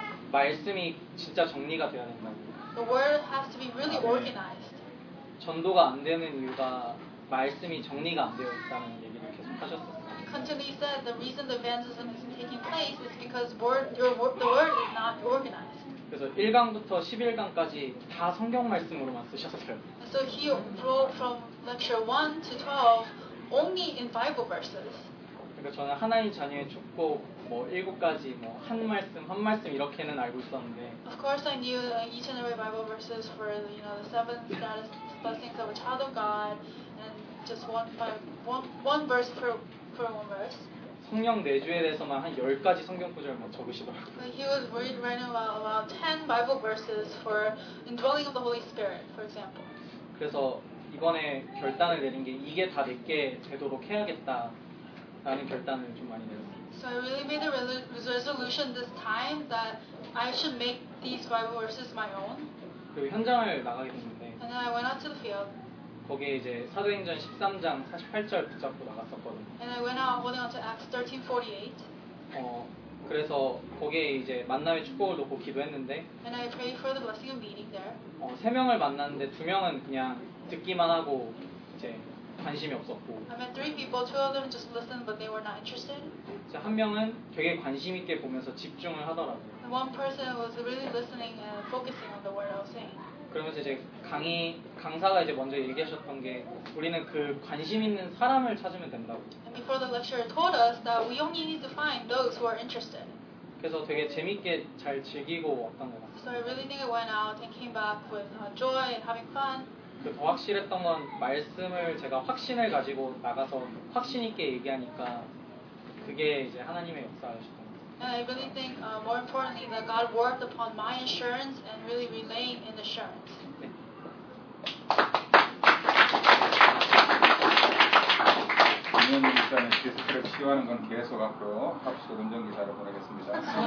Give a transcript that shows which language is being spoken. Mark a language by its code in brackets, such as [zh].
[ko] 말씀이 진짜 정리가 되어야 된다고. [en] The word has to be really organized. [ko] 전도가 안 되는 이유가 말씀이 정리가 안 되어 있다는 얘기를 계속 하셨었어요. [en] continually said the reason the evangelism isn't taking place is because the word is not organized. [ko] 그래서 1강부터 11강까지 다 성경 말씀으로만 쓰셨어요. [en] So he wrote from lecture 1 to 12 only in Bible verses. [ko] 그러니까 저는 하나님 자녀의 축복 뭐 7가지 뭐 한 말씀 한 말씀 이렇게는 알고 있었는데. [en] Of course I knew each and every Bible verses for you know the seven status blessings of a child of God and just one verse per one verse. [ko] 성령 내주에 대해서만 한 10가지 성경 구절 막 적으시더라고요. [en] He was worried right now about 10 Bible verses for indwelling of the Holy Spirit, for example. [ko] 그래서 이번에 결단을 내린 게 이게 다 내게 되도록 해야겠다라는 결단을 좀 많이 내렸어요. [en] So I really made a resolution this time that I should make these Bible verses my own. [ko] 그리고 현장을 나가게 됐는데. [en] And then I went out to the field. [ko] 거기 이제 사도행전 13장 48절 붙잡고 나갔었거든요. [en] And I went out holding onto Acts 13:48. [ko] 그래서 거기에 이제 만남의 축복을 놓고 기도했는데. [en] And I prayed for the blessing of meeting there. [ko] 세 명을 만났는데 두 명은 그냥 듣기만 하고 이제 관심이 없었고. [en] I met three people. Two of them just listened, but they were not interested. [ko] 이제 한 명은 되게 관심 있게 보면서 집중을 하더라고요. [en] And one person was really listening and focusing on the word I was saying. [ko] 그러면서 이제 강사가 이제 먼저 얘기하셨던 게 우리는 그 관심 있는 사람을 찾으면 된다고. [en] And before the lecture told us that we only need to find those who are interested. [ko] 그래서 되게 재밌게 잘 즐기고 왔던 것 같아요. [en] So I really think I went out and came back with joy and having fun. [ko] 그 더 확실했던 건 말씀을 제가 확신을 가지고 나가서 확신 있게 얘기하니까 그게 이제 하나님의 역사였어요. [en] And I really think more importantly that God worked upon my assurance and really relaying in assurance. [ko] 강연 기사는 디스크를 치유하는 건 계속 앞으로 합숙 운전 기사로 보내겠습니다.